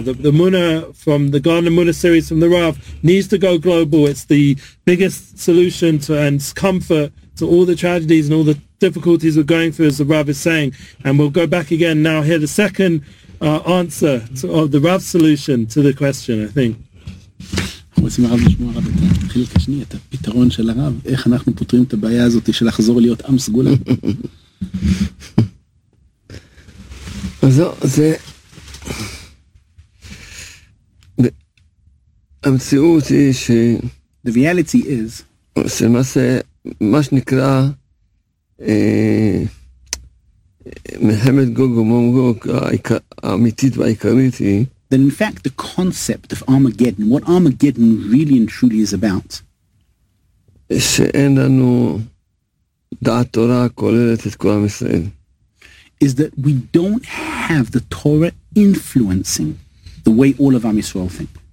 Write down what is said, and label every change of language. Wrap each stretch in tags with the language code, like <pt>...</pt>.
<en>The Emuna from the Garden of Emuna series from the Rav needs to go global. It's the biggest solution to and comfort to all the tragedies and all the difficulties we're going through, as the Rav is saying. And we'll go back again now, hear the second answer of the Rav solution to the question, I think.</en> <he>רוצים הרב לשמוע רב את החלק השני, את הפתרון של הרב, איך אנחנו פותרים את הבעיה הזאת של לחזור להיות עם סגולה. אז זה המציאות היא ש</he> <en>the reality is</en> <he>מה שנקרא מלחמת גוג ומגוג האמיתית והעיקרית היא</he> <en>then in fact the concept of Armageddon, what Armageddon really and truly is about, is that we don't have the Torah influencing the way all of Am Yisrael think.</en>